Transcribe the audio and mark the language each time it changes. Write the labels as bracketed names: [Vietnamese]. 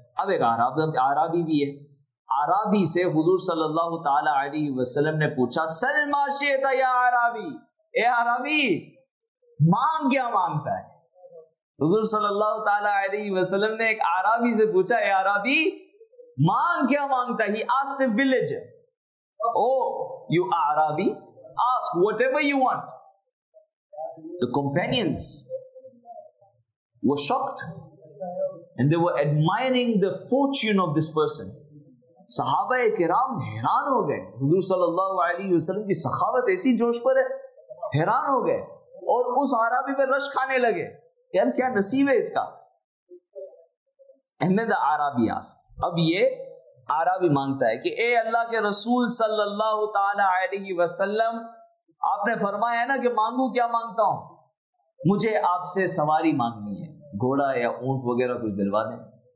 [Urdu] اب ایک عرابی بھی ہے, عرابی سے حضور صلی اللہ تعالی علیہ وسلم نے پوچھا, سلما شیتا یا عرابی, اے عرابی مانگ کیا مانگتا ہے؟ حضور صلی اللہ تعالی علیہ وسلم نے ایک عرابی سے پوچھا, اے عرابی مانگ کیا مانگتا ہے؟ [English] He asked a villager, Oh you عرابی, ask whatever you want. The companions were shocked and they were admiring the fortune of this person. [Urdu] صحابہ کرام حیران ہو گئے, حضور صلی اللہ علیہ وسلم کی سخاوت ایسی جوش پر ہے, حیران ہو گئے اور اس عرابی پر رش کھانے لگے, یار کیا نصیب ہے اس کا. [English] And then the عرابی asks, [Urdu] اب یہ عرابی مانگتا ہے کہ اے اللہ کے رسول صلی اللہ تعالی علیہ وسلم, آپ نے فرمایا ہے نا کہ مانگوں کیا مانگتا ہوں, مجھے آپ سے سواری مانگنی ہے, گھوڑا یا اونٹ وغیرہ کچھ دلوا دیں.